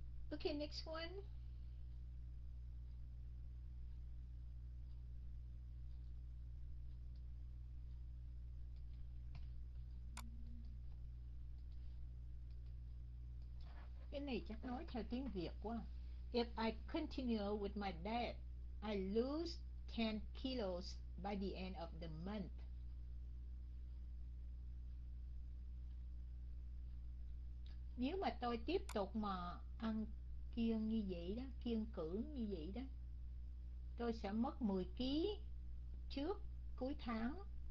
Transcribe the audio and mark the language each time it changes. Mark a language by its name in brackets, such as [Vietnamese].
[English] Okay, next one. [Vietnamese] Cái này chắc nói theo tiếng Việt quá. [English] If I continue with my diet, I lose 10 kilos by the end of the month. [Vietnamese] Nếu mà tôi tiếp tục mà ăn kiêng như vậy đó, kiêng cữ như vậy đó, tôi sẽ mất 10 kg trước cuối tháng.